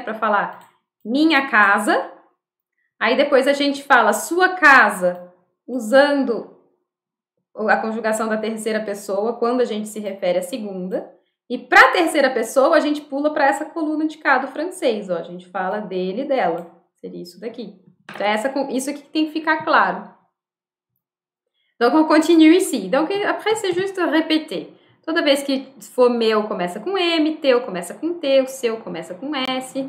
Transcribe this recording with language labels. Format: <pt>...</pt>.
<pt>Para falar minha casa. Aí, depois, a gente fala sua casa usando a conjugação da terceira pessoa quando a gente se refere à segunda. E para a terceira pessoa, a gente pula para essa coluna de cá do francês, ó. A gente fala dele e dela. Seria isso daqui. Então, isso aqui tem que ficar claro.</pt> <fr>Donc, on continue ici. Donc, après, c'est juste répéter.</fr> <pt>Toda vez que for meu, começa com M, teu começa com T, o seu começa com S.</pt>